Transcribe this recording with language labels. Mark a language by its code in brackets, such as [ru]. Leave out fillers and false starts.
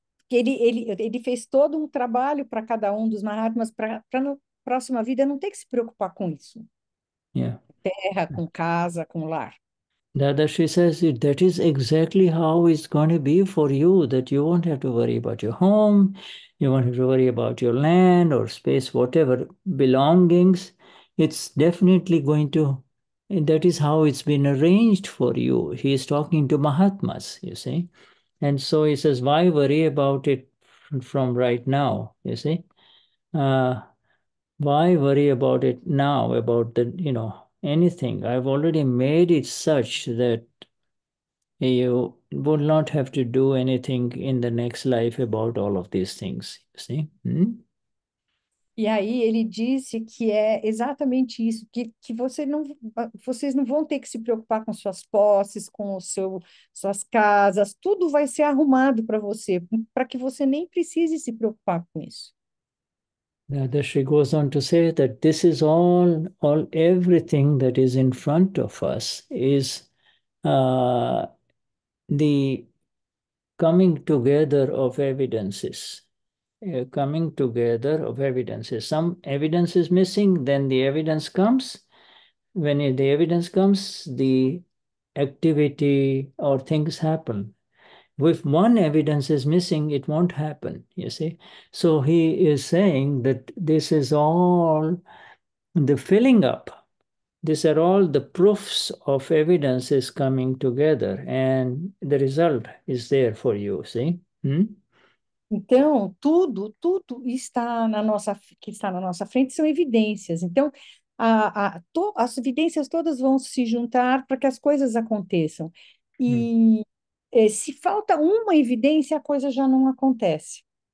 [pt] Ele fez todo um trabalho para cada um dos Mahatmas para na próxima vida não ter que se preocupar com isso. Terra, com casa, com lar. [en] Dadashri says that is exactly how it's going to be for you, that you won't have to worry about your home, you won't have to worry about your land or space, whatever belongings. It's definitely going to. And that is how it's been arranged for you. He is talking to Mahatmas, you see. And so he says, why worry about it from right now, you see? Why worry about it now, about anything? I've already made it such that you would not have to do anything in the next life about all of these things, you see? [pt] E aí ele disse que é exatamente isso, que vocês não vão ter que se preocupar com suas posses, com suas casas, tudo vai ser arrumado para você, para que você nem precise se preocupar com isso. [en] Dadashri goes on to say that this is everything that is in front of us is the coming together of evidences. Coming together of evidences. Some evidence is missing, then the evidence comes. When the evidence comes, the activity or things happen. If one evidence is missing, it won't happen, you see. So he is saying that this is all the filling up. These are all the proofs of evidences coming together, and the result is there for you, see? [pt] Então, tudo está na nossa frente são evidências. Então, as evidências todas vão se juntar para que as coisas aconteçam. E se falta uma evidência, a coisa já não acontece.